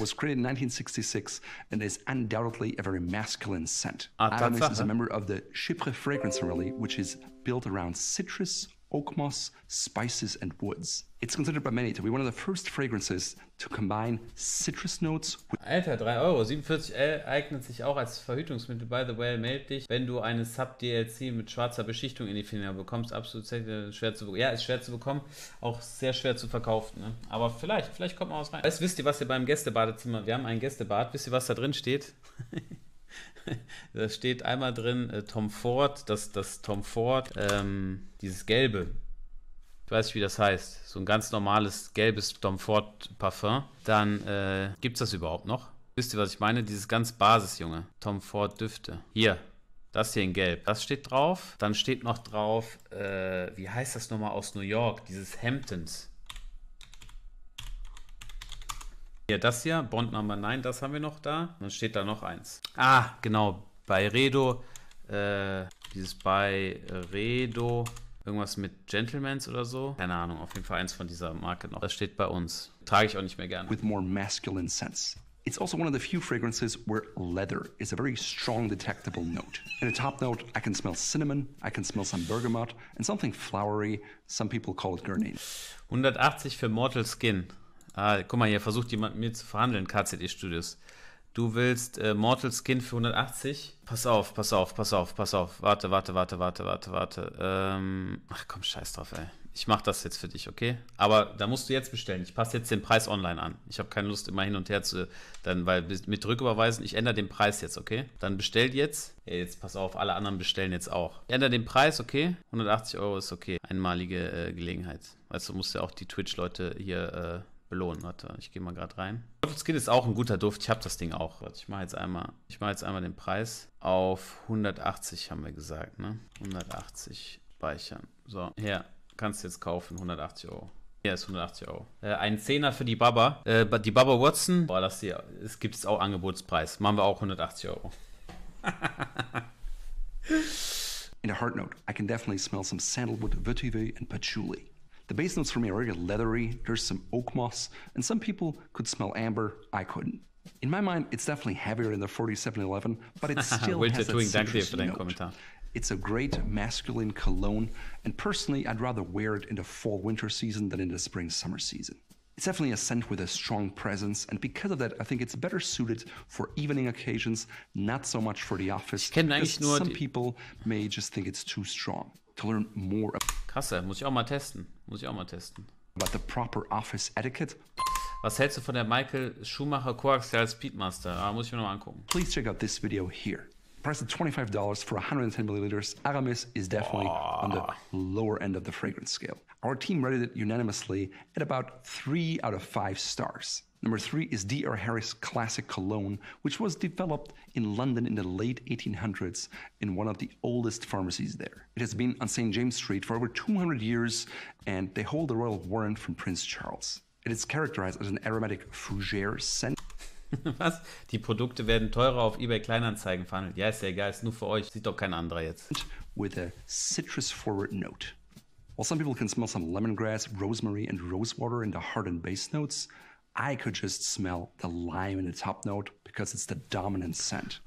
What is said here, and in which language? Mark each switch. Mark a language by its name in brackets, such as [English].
[English] Was created in 1966 and is undoubtedly a very masculine scent. Ah, Aramis [German] Tatsache. [English] Is a member of the Chypre Fragrance Family, which is built around citrus, oak moss, spices and woods. It's considered by many to be one of the first fragrances to combine citrus notes with [German] Alter, 3,47 € eignet sich auch als Verhütungsmittel. [English] By the way, [German] meld dich, wenn du eine Sub-DLC mit schwarzer Beschichtung in die Finger bekommst. Absolut schwer zu bekommen. Ja, ist schwer zu bekommen, auch sehr schwer zu verkaufen. Ne? Aber vielleicht, vielleicht kommt man was rein. Weißt, wisst ihr, was ihr beim Gästebadezimmer, wir haben ein Gästebad, wisst ihr, was da drin steht? Da steht einmal drin Tom Ford, das Tom Ford, dieses Gelbe. Ich weiß nicht, wie das heißt. So ein ganz normales gelbes Tom Ford Parfum. Dann gibt es das überhaupt noch? Wisst ihr, was ich meine? Dieses ganz Basis, Junge. Tom Ford Düfte. Hier. Das hier in Gelb. Das steht drauf. Dann steht noch drauf, wie heißt das nochmal aus New York? Dieses Hamptons. Hier, das hier. Bond Number 9. Das haben wir noch da. Dann steht da noch eins. Ah, genau. Bei Redo. Dieses bei Redo. Irgendwas mit Gentlemen's oder so. Keine Ahnung, auf jeden Fall eins von dieser Marke noch. Das steht bei uns. Trage ich auch nicht mehr gerne. [English] With more masculine scents. It's also one of the few fragrances where leather is a very strong detectable note. In a top note, I can smell cinnamon, I can smell some bergamot and something flowery. Some people call it gurnee. [German] 180 für Mortal Skin. Ah, guck mal hier, versucht jemand mit mir zu verhandeln, KZE Studios. Du willst Mortal Skin für 180? Pass auf, pass auf, pass auf, pass auf. Warte, warte, warte, warte, warte, warte. Ach komm, scheiß drauf, ey. Ich mach das jetzt für dich, okay? Aber da musst du jetzt bestellen. Ich passe jetzt den Preis online an. Ich habe keine Lust, immer hin und her zu... Dann, weil mit Rücküberweisen, ich ändere den Preis jetzt, okay? Dann bestell jetzt. Ey, jetzt pass auf, alle anderen bestellen jetzt auch. Ich ändere den Preis, okay? 180 € ist okay. Einmalige Gelegenheit. Weißt du, musst ja auch die Twitch-Leute hier... belohnen. Warte, ich gehe mal gerade rein. Mortal Skin ist auch ein guter Duft. Ich habe das Ding auch. Warte, ich mache jetzt einmal den Preis auf 180, haben wir gesagt, ne? 180 speichern. So, hier, kannst du jetzt kaufen. 180 €. Hier ist 180 €. Ein Zehner für die Baba. Die Baba Watson. Boah, das hier, es gibt jetzt auch Angebotspreis. Machen wir auch 180 €. [English] In a heart note, I can definitely smell some sandalwood, vetiver and patchouli. The base notes for me are really leathery, there's some oak moss, and some people could smell amber, I couldn't. In my mind, it's definitely heavier than the 4711, but it still has that citrus note. It's a great masculine cologne, and personally, I'd rather wear it in the fall-winter season than in the spring-summer season. It's definitely a scent with a strong presence, and because of that, I think it's better suited for evening occasions, not so much for the office, because some people may just think it's too strong. To learn more about [German] Krasse, muss ich auch mal testen. Muss ich auch mal testen. [English] About the proper office etiquette. [German] Was hältst du von der Michael Schumacher Coaxial Speedmaster? Ah, muss ich mir noch mal angucken. [English] Please check out this video here. Price of $25 for 110 milliliters. Aramis is definitely oh. on the lower end of the fragrance scale. Our team rated it unanimously at about 3 out of 5 stars. Number 3 is D.R. Harris Classic Cologne, which was developed in London in the late 1800s in one of the oldest pharmacies there. It has been on St. James Street for over 200 years, and they hold a royal warrant from Prince Charles. It is characterized as an aromatic fougere scent. [German] Was? Die Produkte werden teurer auf eBay Kleinanzeigen verhandelt. Ja, ist ja egal, ist nur für euch. Sieht doch kein anderer jetzt. [English] With a citrus-forward note. While some people can smell some lemongrass, rosemary and rosewater in the heart and base notes, I could just smell the lime in the top note because it's the dominant scent.